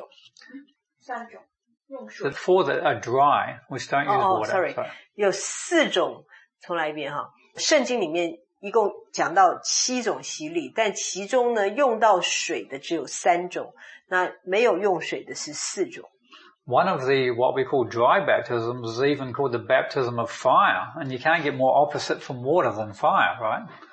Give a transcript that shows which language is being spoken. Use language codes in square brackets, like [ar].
[zh] 其实在圣经里面提到的洗礼一共有七种，但这七种里面真正会用到水的只有四种。三种，用水。 [en] The four that are dry, which don't use water. Sorry. [zh] 有四种，重来一遍哈。圣经里面一共讲到七种洗礼，但其中呢用到水的只有三种，那没有用水的是四种。 [en] One of the what we call dry baptisms is even called the baptism of fire, and you can't get more opposite from water than fire, right?